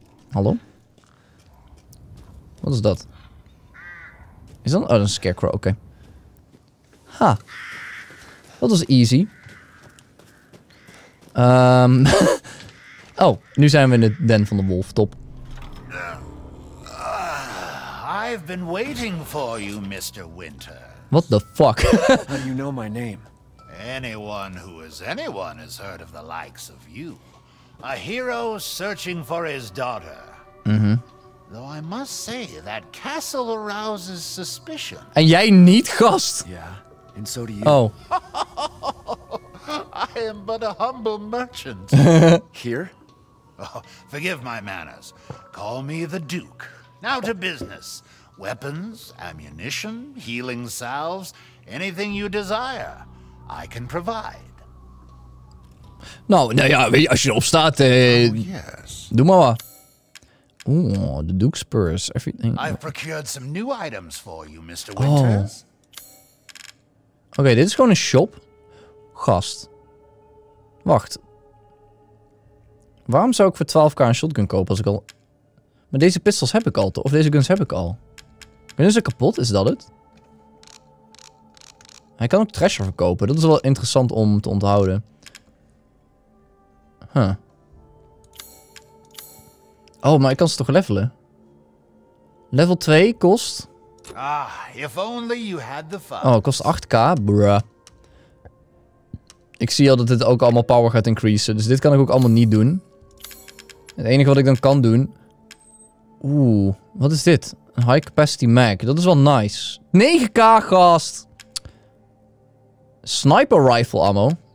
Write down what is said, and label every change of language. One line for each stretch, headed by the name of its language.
Dutch: Hallo? Wat is dat? Is dat... Oh, dat is een scarecrow. Oké. Okay. Ha. Dat was easy. Oh, nu zijn we in de den van de wolf. Top.
English: I've been waiting for you, Mr. Winter. What the fuck? You know my name. Anyone who is anyone has heard of the likes of you. A hero searching for his daughter. Mm-hmm. Though I must say, that castle arouses suspicion.
Dutch: En jij niet, gast?
English: Yeah, and so do you. Oh. I am but a humble merchant. Here? Oh, forgive my manners. Call me the Duke. Now to business. Weapons, ammunition, healing salves, anything you desire, I can provide.
Dutch: Nou, nou ja, weet je, als je erop staat,
English: yes.
Dutch: Doe maar wat. Oeh, de Duke Spurs, everything.
English: I've procured some new items for you, Mr. Winters. Oh.
Dutch: Oké, dit is gewoon een shop. Gast. Wacht. Waarom zou ik voor 12k een shotgun kopen als ik al... Maar deze pistols heb ik al, of deze guns heb ik al. Kunnen ze kapot? Is dat het? Hij kan ook Thrasher verkopen. Dat is wel interessant om te onthouden. Huh. Oh, maar ik kan ze toch levelen? Level 2 kost...
English: Ah, if only you had the fun.
Dutch: Oh, kost 8k? Bruh. Ik zie al dat dit ook allemaal power gaat increasen. Dus dit kan ik ook allemaal niet doen. Het enige wat ik dan kan doen... Oeh, wat is dit? Een high capacity mag. Dat is wel nice. 9k, gast! Sniper rifle ammo.